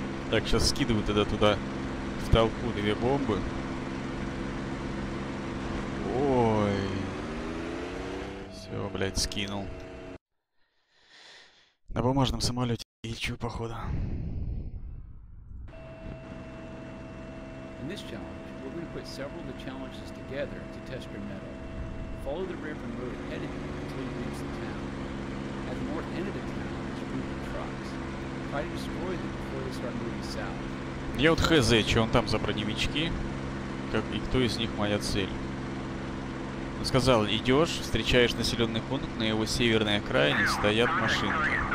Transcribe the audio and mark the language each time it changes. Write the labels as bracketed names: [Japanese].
[Russian] Так, сейчас скидываю тогда туда в толпу две бомбы. Ой. Все, блядь, скинул. На бумажном самолете лечу, походу. [English] In this challenge, we're going to put several of the challenges together to test your mettle. Follow the river and road ahead of you until you reach the town. At the north end of the town, there's a group of trucks. Try to destroy them before they start moving south. [Russian] Я вот хз, что он там за броневички, как и кто из них моя цель. Он сказал, идешь, встречаешь населенный пункт, на его северной окраине стоят машинки.